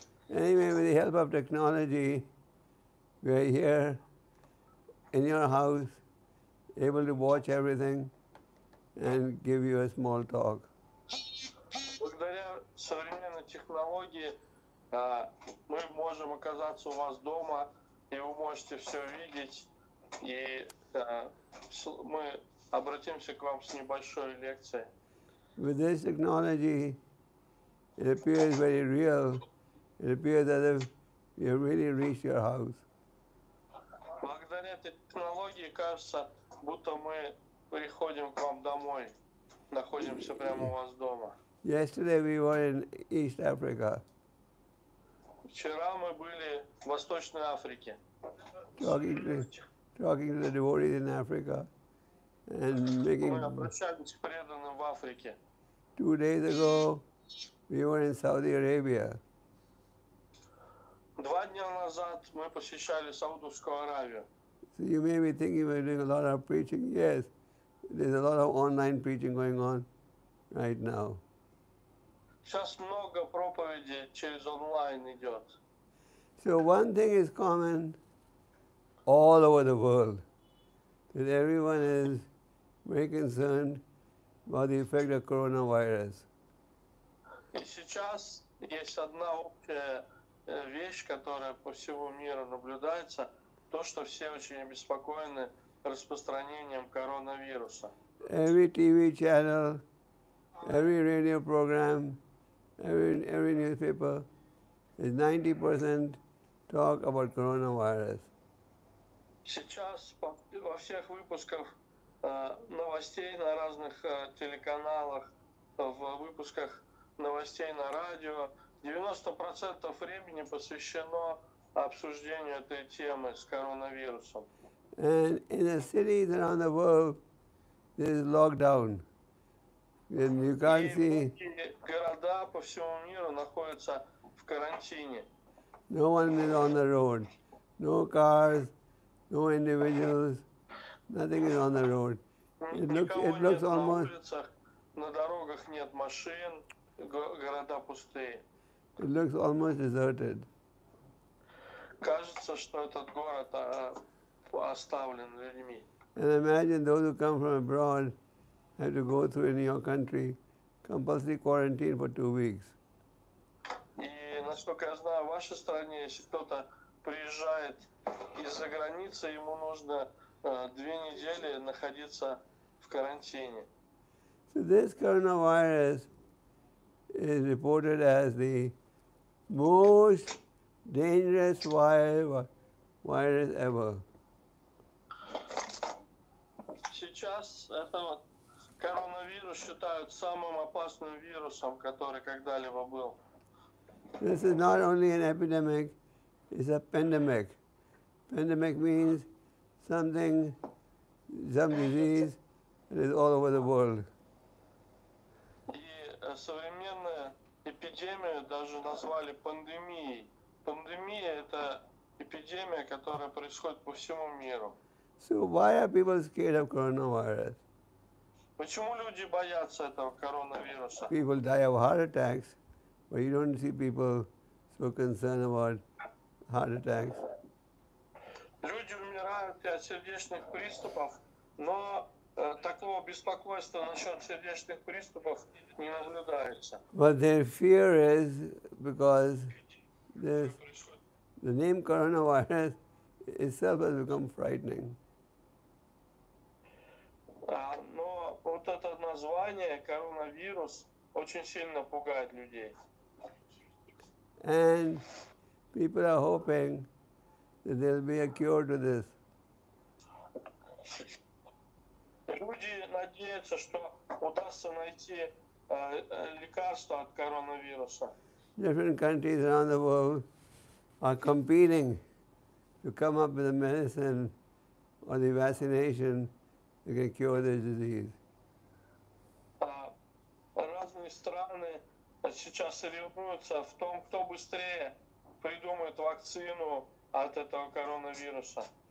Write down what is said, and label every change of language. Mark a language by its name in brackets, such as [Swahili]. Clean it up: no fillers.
[English] Anyway, with the help of technology, we are here in your house, able to watch everything and give you a small talk. [Russian] Благодаря современной технологии мы можем оказаться у вас дома, и вы можете все видеть, и мы обратимся к вам с небольшой лекцией. [English] With this technology, it appears very real. It appears as if you really reached your house. [Russian] Благодаря этой технологии кажется, будто мы приходим к вам домой, находимся прямо у вас дома. [English] Yesterday we were in East Africa. [Russian] Вчера мы были в Восточной Африке. [English] Talking to the devotees in Africa and making. [Russian] Мы обращались к преданным в Африке. [English] 2 days ago, we were in Saudi Arabia. [Russian] 2 дня назад мы посещали Саудовскую Аравию. [English] So you may be thinking we're doing a lot of preaching. Yes, there's a lot of online preaching going on right now. [Russian] Сейчас много проповеди через онлайн идет. [English] So one thing is common all over the world, that everyone is very concerned about the effect of coronavirus. [Russian] И сейчас есть одна общая вещь, которая по всему миру наблюдается, то, что все очень обеспокоены распространением коронавируса. [English] Every TV channel, every radio program, Every newspaper is 90% talk about coronavirus. [Russian] Сейчас во всех выпусках новостей на разных телеканалах, в выпусках новостей на радио 90% времени посвящено обсуждению этой темы с коронавирусом. [English] And in the cities around the world, there is lockdown. And you can't see. [Russian] Города по всему миру находятся в карантине. [English] No one is on the road. No cars, no individuals, nothing is on the road. It looks almost. [Russian] На дорогах нет машин, города пустые. [English] It looks almost deserted. [Russian] Кажется, что этот город оставлен людьми. [English] And imagine those who come from abroad have to go through in your country, compulsory quarantine for 2 weeks. [Russian] И насколько я знаю, в вашей стране, если кто-то приезжает из-за границы, ему нужно 2 недели находиться в карантине. [English] So this coronavirus is reported as the most dangerous virus ever. [Russian] Сейчас это вот коронавирус считают самым опасным вирусом, который когда-либо был. [English] This is not only an epidemic, it's a pandemic. Pandemic means something, some disease that is all over the world. [Russian] И современную эпидемию даже назвали пандемией. Пандемия – это эпидемия, которая происходит по всему миру. [English] So why are people scared of coronavirus? [Russian] Почему люди боятся этого коронавируса? [English] People die of heart attacks, but you don't see people so concerned about heart attacks. [Russian] Люди умирают от сердечных приступов, но такого беспокойства насчет сердечных приступов не наблюдается. [English] But their fear is because the name coronavirus itself has become frightening. [Russian] Вот это название коронавирус очень сильно пугает людей. [English] And people are hoping that there'll be a cure to this. [Russian] Люди надеются, что удастся найти лекарство от коронавируса. [English] Different countries around the world are competing to come up with a medicine or the vaccination that can cure the disease. [Russian] Разные страны сейчас соревнуются в том, кто быстрее придумает вакцину от этого коронавируса.